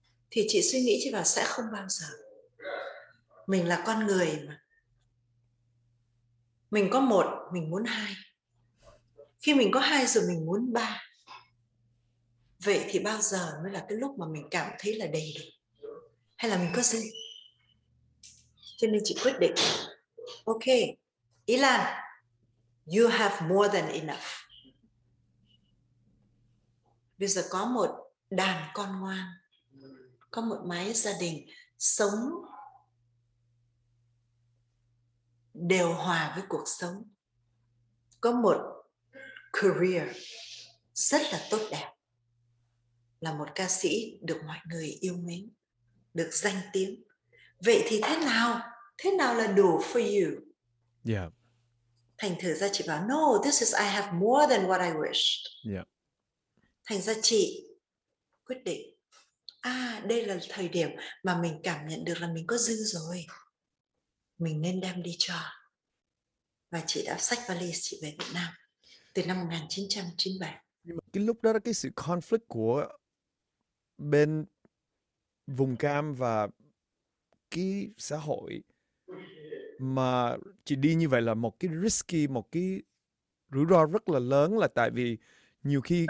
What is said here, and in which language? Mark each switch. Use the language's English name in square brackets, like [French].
[Vietnamese] Thì chị suy nghĩ chứ là sẽ không bao giờ. Mình là con người mà. Mình có một, mình muốn hai. Khi mình có hai rồi mình muốn ba. Vậy thì bao giờ mới là cái lúc mà mình cảm thấy là đầy đủ? Hay là mình có gì? Cho nên chị quyết định. [English] Ok, Ý Lan, you have more than enough. [Vietnamese] Bây giờ có một đàn con ngoan, có một mái gia đình sống đều hòa với cuộc sống, có một career rất là tốt đẹp, là một ca sĩ được mọi người yêu mến, được danh tiếng. Vậy thì thế nào? Thế nào là đủ [English] for you? Yeah. [Vietnamese] Thành thử ra chị bảo [English] no, this is I have more than what I wished. Yeah. [Vietnamese] Thành ra chị quyết định, đây là thời điểm mà mình cảm nhận được là mình có dư rồi, mình nên đem đi cho. Và chị đã xách valise chị về Việt Nam từ năm 1997. Cái lúc đó là cái sự conflict của bên vùng cam và cái xã hội, mà chị đi như vậy là một cái risky, một cái rủi ro rất là lớn, là tại vì nhiều khi